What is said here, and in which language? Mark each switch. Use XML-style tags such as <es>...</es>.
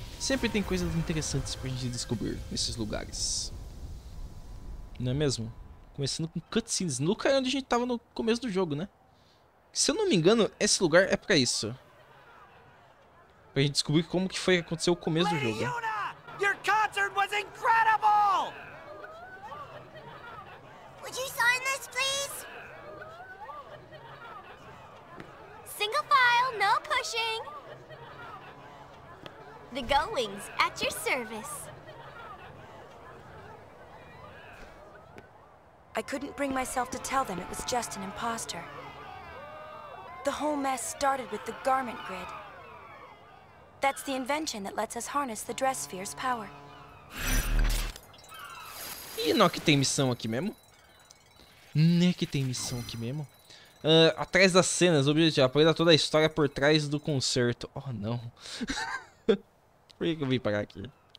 <pt>Sempre tem coisas interessantes pra gente descobrir nesses lugares. Não é mesmo? Começando com cutscenes. Luca é onde a gente tava no começo do jogo, né? Se eu não me engano, esse lugar é pra isso. Pra gente descobrir como que foi que aconteceu o começo do jogo.</pt> <en>Your concert was incredible! Would you sign this, please? Single file, no pushing. The Goings at your service. I couldn't bring myself to tell them it was just an imposter. The whole mess started with the garment grid. That's the invention that lets us harness the dress sphere's power.</en> <pt>E não é que tem missão aqui mesmo? Não é que tem missão aqui mesmo? Atrás das cenas, objetivo, apoiar toda a história por trás do concerto. Oh, não. Por que eu vim parar aqui?</pt>